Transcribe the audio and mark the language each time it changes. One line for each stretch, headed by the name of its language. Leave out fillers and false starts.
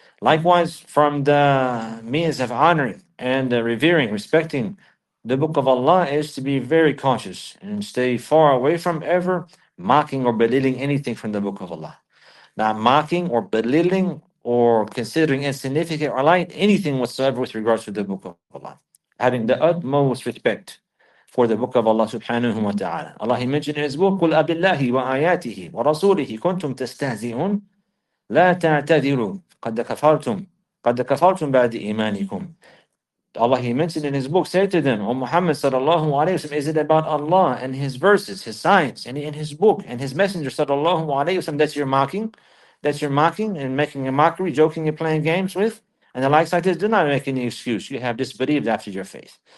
English: Likewise, from the means of honoring and revering, respecting the book of Allah is to be very conscious and stay far away from ever mocking or belittling anything from the book of Allah. Not mocking or belittling or considering insignificant or light anything whatsoever with regards to the book of Allah. Having the utmost respect for the book of Allah subhanahu wa ta'ala. Allah, he mentioned in his book,
Arabic: قُلْ أَبِاللَّهِ وَآيَاتِهِ وَرَسُولِهِ كُنْتُمْ تَسْتَهْزِئُونَ لَا تَعْتَذِرُوا قَدْ كَفَرْتُمْ بَعْدِ إِيمَانِكُمْ.
English: Allah, he mentioned in his book, say to them, O Muhammad sallallahu alayhi wa sallam, is it about Allah and his verses, his signs, and in his book, and his messenger sallallahu alayhi wa sallam, that you're mocking and making a mockery, joking and playing games with? And the likes like this, do not make any excuse. You have disbelieved after your faith.